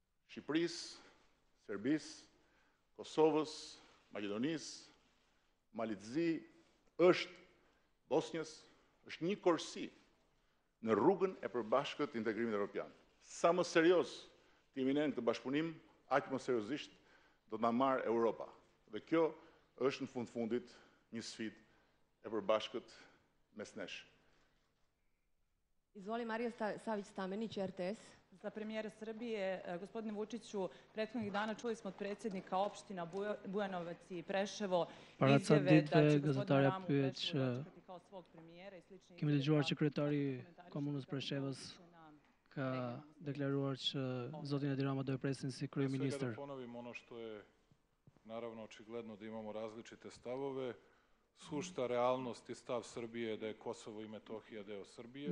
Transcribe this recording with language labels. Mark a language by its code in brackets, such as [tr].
[sq] Shqipërisë, Serbisë, Kosovës, Maqedonisë, Malit Zi, është Bosnjës, është një korsi në rrugën e përbashkët integrimit evropian. Sa më serioz të jemi ne në këtë bashkëpunim, aq më seriozisht do të na marrë Europa. Dhe kjo është në fund fundit një sfidë e përbashkët mes nesh. [sr] Izvoli Marija Savić Stameni, RTS. Za premijera Srbije, gospodine Vučiću, prethodnih dana čuli smo od predsjednika opština Bujanovac i Preševo izjave da će gospodine Ramu Preševo dočekati kao svog premijera i slične... [sq] Kemi dëgjuar që kryetari komunës Preševës ka deklaruar që zotin Edi Rama do e presin si kryeministër. [sr] Sve da ponovim ono što je naravno očigledno da imamo različite stavove. Sušta realnost i stav Srbije da je Kosovo i Metohija deo Srbije.